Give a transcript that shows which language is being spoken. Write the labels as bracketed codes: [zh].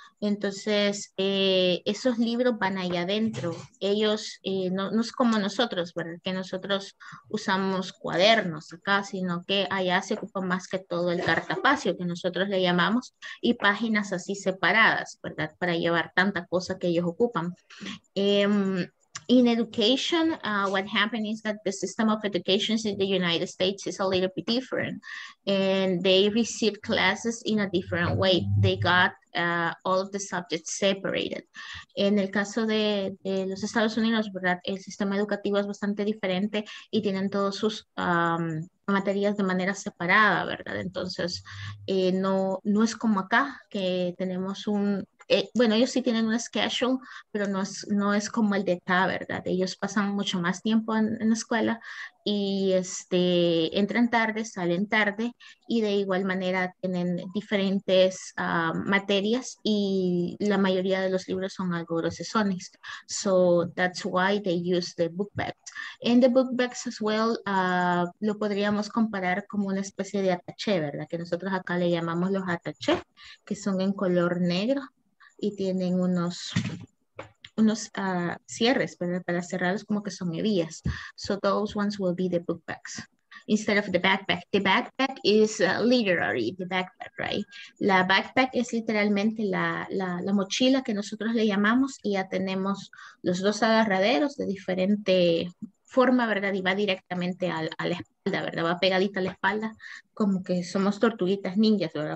[es] Entonces esos libros van allá adentro. Ellos, no es como nosotros, ¿verdad? Que nosotros usamos cuadernos acá, sino que allá se ocupa más que todo el cartapacio, que nosotros le llamamos, y páginas así separadas, ¿verdad? Para llevar tanta cosa que ellos ocupan. [en] In education, what happened is that the system of education in the United States is a little bit different, and they received classes in a different way. They got all of the subjects separated. [es] En el caso de los Estados Unidos, ¿verdad? El sistema educativo es bastante diferente y tienen todos sus materias de manera separada, ¿verdad? Entonces, no es como acá, que tenemos un... bueno, ellos sí tienen un schedule, pero no es como el de TA, ¿verdad? Ellos pasan mucho más tiempo en la escuela y entran tarde, salen tarde, y de igual manera tienen diferentes materias, y la mayoría de los libros son algo grosesones. [en] So that's why they use the book bags. And the book bags as well, [es] lo podríamos comparar como una especie de attaché, ¿verdad? Que nosotros acá le llamamos los attaché, que son en color negro. Y tienen unos cierres para cerrarlos, como que son hebillas. [en] So those ones will be the book bags. Instead of the backpack. The backpack is literally the backpack, right? [es] La backpack es literalmente la mochila que nosotros le llamamos. Y ya tenemos los dos agarraderos de diferente forma, ¿verdad? Y va directamente a la espalda, ¿verdad? Va pegadita a la espalda, como que somos tortuguitas ninjas, ¿verdad?